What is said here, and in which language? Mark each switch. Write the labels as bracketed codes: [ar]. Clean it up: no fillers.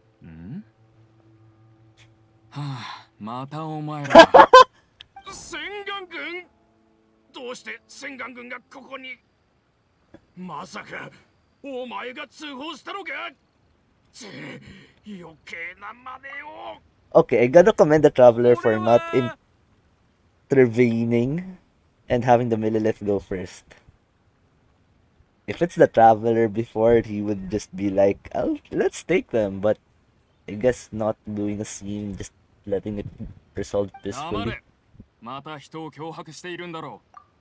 [ja] ん？はあ、またお前ら。千眼軍？どうして千眼軍がここに？まさか、お前が通報したのか？ち、余計な真似を。 [en] Okay, I gotta commend the traveler for not intervening and having the millilith go first. If it's the traveler before, he would just be like, let's take them, but I guess not doing a scene, just letting it resolve peacefully. [ja] また人を脅迫しているんだろう。